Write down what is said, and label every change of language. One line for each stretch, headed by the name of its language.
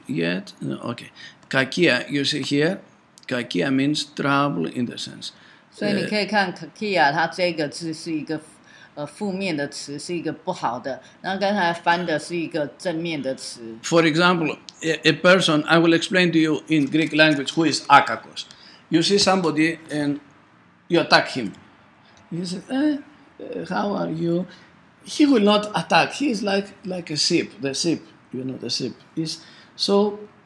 English: Yet, no, okay, kakia. You see here, kakia means trouble in the sense.
Chinese: 所以你可以看 kakia， 它这个字是一个负面的词，是一个不好的。那刚才翻的是一个正面的词。
English: For example, a person. I will explain to you in Greek language who is akakos. You see somebody and you attack him. He says, how are you? He will not attack. He is like a sheep, the sheep, you know, the sheep. He's so